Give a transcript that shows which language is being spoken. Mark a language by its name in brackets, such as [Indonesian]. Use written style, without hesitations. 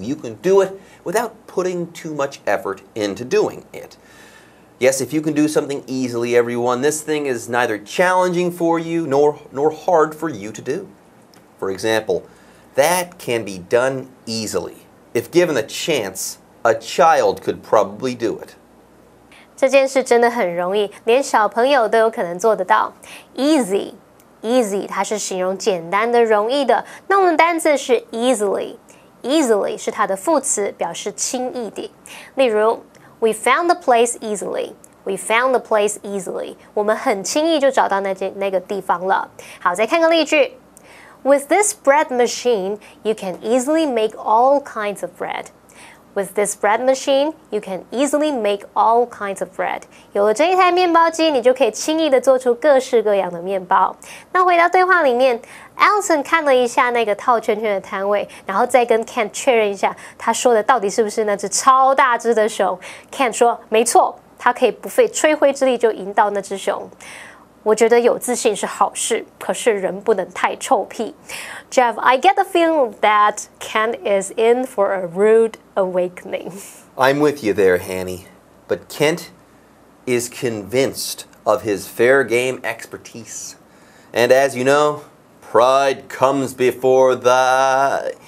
[English] You can do it without putting too much effort into doing it. Yes, if you can do something easily, everyone, this thing is neither challenging for you nor hard for you to do. For example, that can be done easily. If given a chance, a child could probably do it. [Chinese] 这件事真的很容易，连小朋友都有可能做得到。 Easy, 它是形容简单的、容易的。那我们单字是 easily 是它的副词，表示轻易的。例如 [English] ，We found the place easily. We found the place easily. [Chinese] 我们很轻易就找到那个地方了。好，再看个例句。 [English] With this bread machine, you can easily make all kinds of bread. With this bread machine, you can easily make all kinds of bread. [Chinese] 有了这一台面包机，你就可以轻易地做出各式各样的面包。那回到对话里面 ，Allison 看了一下那个套圈圈的摊位，然后再跟 Kent 确认一下，他说的到底是不是那只超大只的熊 ？Kent 说，没错，他可以不费吹灰之力就赢到那只熊。我觉得有自信是好事，可是人不能太臭屁。 [English] Jeff, I get the feeling that Kent is in for a rude awakening. I'm with you there, Hanny. But Kent is convinced of his fair game expertise. And as you know, pride comes before the...